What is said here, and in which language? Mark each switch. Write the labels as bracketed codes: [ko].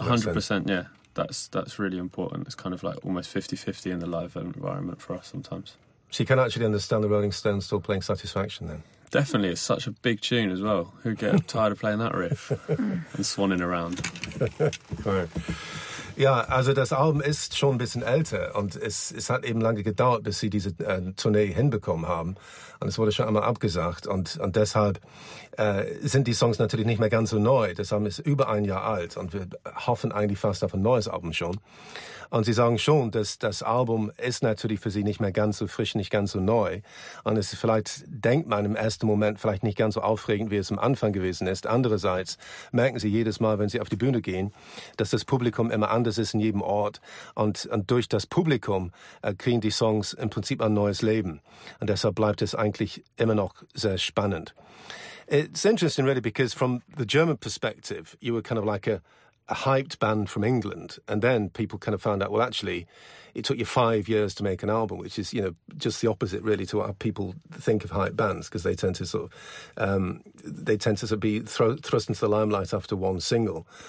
[en] 100%, yeah. That's really important. It's kind of like almost 50-50 in the live environment for us sometimes. So you can actually understand the Rolling Stones still playing Satisfaction then? Definitely. It's such a big tune as well. Who'd get tired of playing that riff and swanning around? Right. [de] Ja, also das Album ist schon ein bisschen älter und es hat eben lange gedauert, bis sie diese Tournee hinbekommen haben. Und es wurde schon einmal abgesagt und deshalb sind die Songs natürlich nicht mehr ganz so neu. Das Album ist über ein Jahr alt und wir hoffen eigentlich fast auf ein neues Album schon. Und sie sagen schon, dass das Album ist natürlich für sie nicht mehr ganz so frisch, nicht ganz so neu. Und es vielleicht, denkt man im ersten Moment, vielleicht nicht ganz so aufregend, wie es am Anfang gewesen ist. Andererseits merken sie jedes Mal, wenn sie auf die Bühne gehen, dass das Publikum immer anders ist in jedem Ort. Und durch das Publikum kriegen die Songs im Prinzip ein neues Leben. Und deshalb bleibt es eigentlich immer noch sehr spannend. [en] It's interesting, really, because from the German perspective, you were kind of like a hyped band from England, and then people kind of found out, well, actually, it took you 5 years to make an album, which is, you know, just the opposite, really, to what people think of hyped bands, because they tend to sort of thrust into the limelight after one single.